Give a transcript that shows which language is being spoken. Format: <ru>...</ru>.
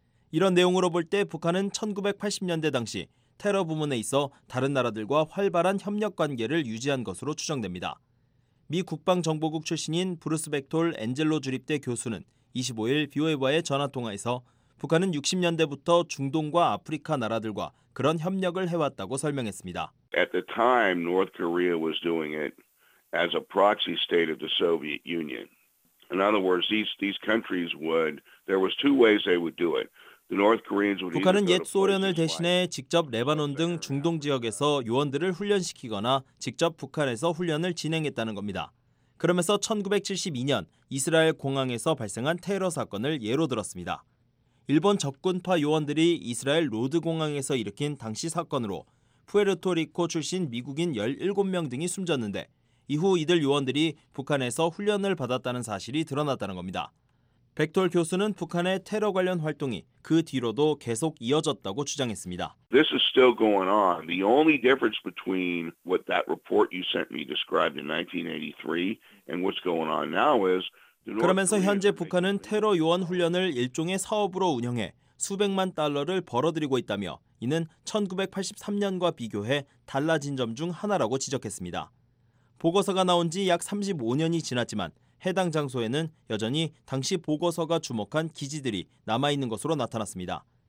<ko>이런 내용으로 볼 때 북한은 1980년대 당시 테러 부문에 있어 다른 나라들과 활발한 협력 관계를 유지한 것으로 추정됩니다. 미 국방정보국 출신인 브루스 백톨 엔젤로 주립대 교수는 25일 VOA와의 전화통화에서 북한은 60년대부터 중동과 아프리카 나라들과 그런 협력을 해왔다고 설명했습니다.</ko> <en>At the time, North Korea was doing it as a proxy state of the Soviet Union. In other words, these countries would, there was two ways they would do it.</en> <ko>북한은 옛 소련을 대신해 직접 레바논 등 중동 지역에서 요원들을 훈련시키거나 직접 북한에서 훈련을 진행했다는 겁니다. 그러면서 1972년 이스라엘 공항에서 발생한 테러 사건을 예로 들었습니다. 일본 적군파 요원들이 이스라엘 로드 공항에서 일으킨 당시 사건으로 푸에르토리코 출신 미국인 17명 등이 숨졌는데 이후 이들 요원들이 북한에서 훈련을 받았다는 사실이 드러났다는 겁니다. 백톨 교수는 북한의 테러 관련 활동이 그 뒤로도 계속 이어졌다고 주장했습니다.</ko> <en>This is still going on. The only difference between what that report you sent me described in 1983 and what's going on now is</en> <ko>그러면서 현재 북한은 테러 요원 훈련을 일종의 사업으로 운영해 수백만 달러를 벌어들이고 있다며 이는 1983년과 비교해 달라진 점 중 하나라고 지적했습니다. 보고서가 나온 지 약 35년이 지났지만 해당 장소에는 여전히 당시 보고서가 주목한 기지들이 남아있는 것으로 나타났습니다.</ko>